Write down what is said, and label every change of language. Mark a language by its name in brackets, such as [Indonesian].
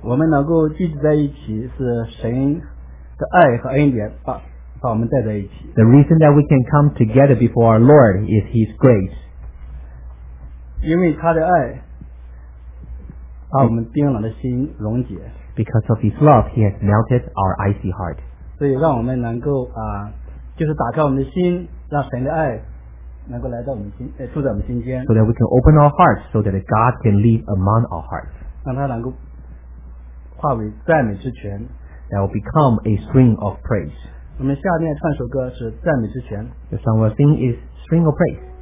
[Chinese] 能够聚集在一起是神的爱和恩典 把我们带在一起。 [English] The reason that we can come together before our Lord is His grace. [Chinese] 因为他的爱把我们冰冷的心溶解。 [English] Because of His love, He has melted our icy heart. [Chinese] 所以让我们能够就是打开我们的心，让神的爱能够来到我们心，住在我们心间。 [English] So that we can open our hearts so that God can live among our hearts. [Chinese] 让他能够化为赞美之泉。 [English] That will become a string of praise. [Chinese] 我们下面唱首歌是赞美之泉。 [English] The song we'll sing is String of Praise.